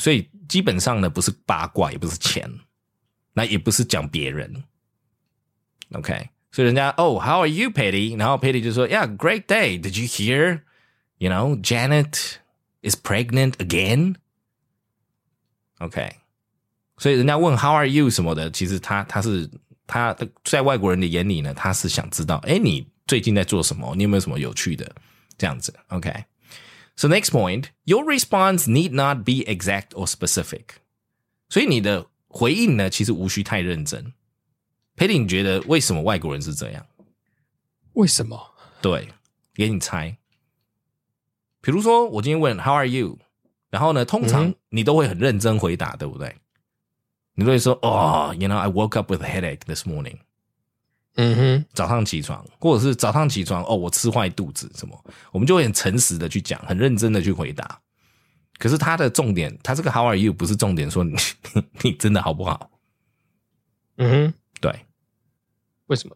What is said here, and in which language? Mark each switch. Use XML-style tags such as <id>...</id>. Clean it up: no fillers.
<zh>所以基本上呢，不是八卦，也不是钱，那也不是讲别人。</zh> <en>Okay, so 人家 Oh, how are you, Patty? 然后 Patty 就说 Yeah, great day. Did you hear? You know, Janet is pregnant again.</en> <zh>Okay, 所以人家问 How are you 什么的，其实他在外国人的眼里呢，他是想知道哎，你最近在做什么？你有没有什么有趣的？</zh> <en>这样子 Okay, so next point, your response need not be exact or specific.</en> <zh>所以你的回应呢，其实无需太认真。佩蒂，你觉得为什么外国人是这样？为什么？对，给你猜。比如说，我今天问 How are you? 然后呢，通常你都会很认真回答，对不对？</zh> <en>你都会说 Oh, you know, I woke up with a headache this morning. 嗯哼，</en> <zh>早上起床，或者是早上起床，哦，我吃坏肚子什么？我们就会很诚实的去讲，很认真的去回答。可是他的重点，他这个 How are you 不是重点，说你真的好不好？嗯哼。对，为什么？</zh>